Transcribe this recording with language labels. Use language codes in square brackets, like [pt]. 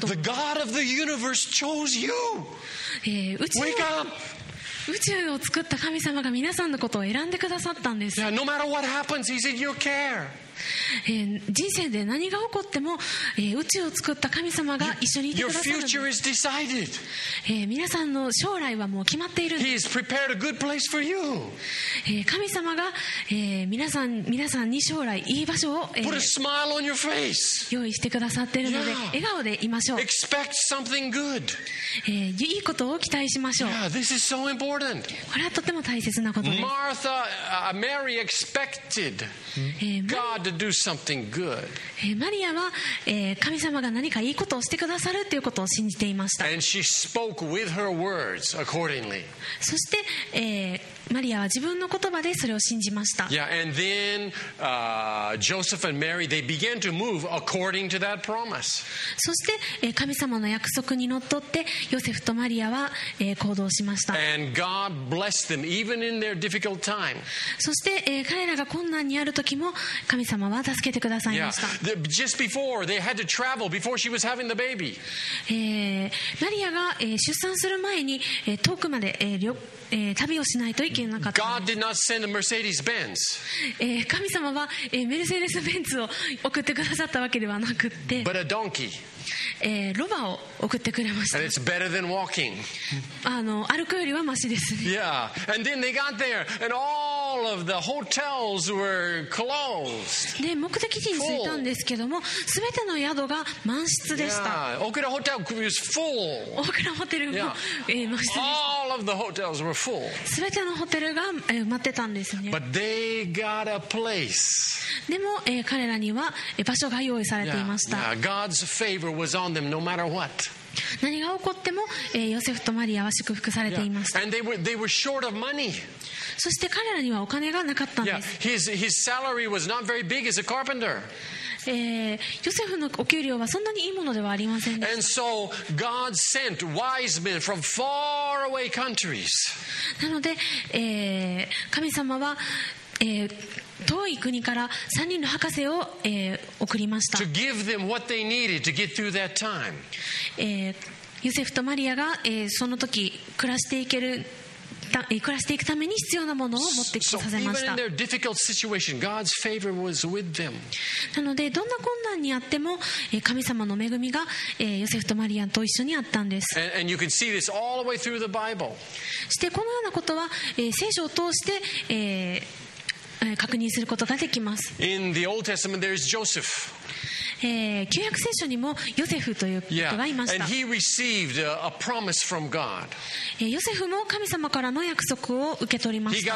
[en] The God of the universe chose you. Wake up. [ja] 宇宙を作った神様が皆さんのことを選んでくださったんです。 [en] Yeah, no matter what happens, He's in your care. [ja] 人生で何が起こっても、宇宙を作った神様が一緒にいてくださる。 [en] Your future is decided. [ja] 皆さんの将来はもう決まっているんです。 [en] He's prepared a good place for you. [ja] 神様が、皆さんに将来いい場所を、 [en] Put a smile on your face. [ja] 用意してくださっているので、 [en] yeah. [ja] 笑顔でいましょう。 [en] Expect something good. [ja] いいことを期待しましょう。 [en] Yeah, this is so important. [ja] これはとても大切なことです。 [en] Martha, Mary expected God. To do something good. [ja] マリアは、神様が何かいいことをしてくださるということを信じていました。 [en] And she spoke with her words accordingly. [ja] そして、マリアは自分の言葉でそれを信じました。 [en] Yeah, and then, Joseph and Mary, they began to move according to that promise. [ja] そして、神様の約束にのっとって、ヨセフとマリアは、行動しました。 [en] And God blessed them even in their difficult time. [ja] そして、彼らが困難にある時も神様は助けてくださいました。 [en] Yeah, just before they had to travel before she was having the baby. [ja] マリアが、出産する前に、遠くまで、旅をしないといけなかった。 [en] God did not send a Mercedes Benz. [ja] 神様は、メルセデスベンツを送ってくださったわけではなくて、 [en] But a donkey. [ja] ロバを送ってくれました。 [en] And it's better than walking. [ja] 歩くよりはマシですね。 [en] Yeah. And then they got there and all of the hotels were closed. [ja] で、目的地に着いたんですけども、全ての宿が満室でした。 [en] Yeah. オクラホテル was full. [ja] オクラホテルも、yeah. 満室でした。 [en] All of the hotels were full. [ja] 全てのホテルが埋まってたんですね。 [en] But they got a place. [ja] でも、彼らには場所が用意されていました。 [en] Yeah. Yeah. God's favor was on them no matter what. [ja] 何が起こっても、ヨセフとマリアは祝福されていました。 [en] Yeah. And they were short of money. [ja] そして彼らにはお金がなかったんです。 [en] Yeah. His salary was not very big as a carpenter. [ja] ヨセフのお給料はそんなにいいものではありませんでした。 [en] And so God sent wise men from far away countries. [ja] なので、神様は、遠い国から3人の博士を、送りました。 [en] To give them what they needed to get through that time. [ja] ヨセフとマリアが、その時暮らしていける、暮らしていくために必要なものを持ってきてさせました。 [en] So, even in their difficult situation, God's favor was with them. [ja] なので、どんな困難にあっても、神様の恵みが、ヨセフとマリアと一緒にあったんです。 [en] And you can see this all the way through the Bible. [ja] そして、このようなことは、聖書を通して、確認することができます。 [en] In the Old Testament, there is Joseph. [ja] 旧約聖書にもヨセフという人がいました。 [en] Yeah. And he received a promise from God. [ja] ヨセフも神様からの約束を受け取りました。